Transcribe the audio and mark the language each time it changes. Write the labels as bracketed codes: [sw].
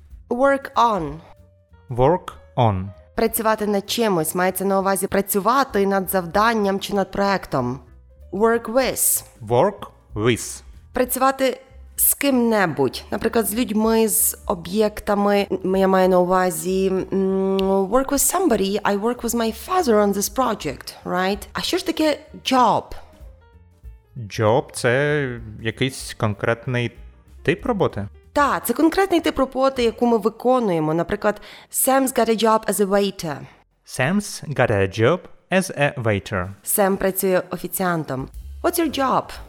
[en] Work on. Work on. [uk] Працювати над чимось, мається на увазі працювати над завданням чи над проектом. [en] Work with. Work with. [uk] Працювати з ким-небудь, наприклад, з людьми, з об'єктами. Я маю на увазі [en] work with somebody, I work with my father on this project, right? [uk] А що ж таке job? Job – це якийсь конкретний тип роботи? Так, це конкретний тип роботи, яку ми виконуємо. [en] Наприклад, Sam's got a job as a waiter. Sam's got a job as a waiter. [uk] Sam працює офіціантом. [en] What's your job?